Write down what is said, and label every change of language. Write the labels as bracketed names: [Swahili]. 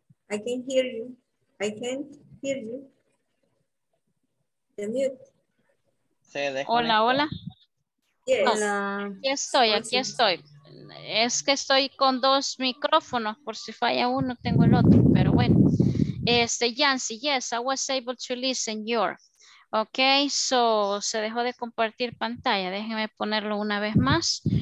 [English] I can hear you. I can hear you. The mute. [Spanish] Hola, hola. [English] Yes. Hola. [Spanish] Aquí estoy, aquí estoy. Es que estoy con dos micrófonos, por si falla uno, tengo el otro, pero bueno. [English] Yancy, yes, I was able to listen your. [Spanish] Ok, so se dejó de compartir pantalla, déjenme ponerlo una vez más.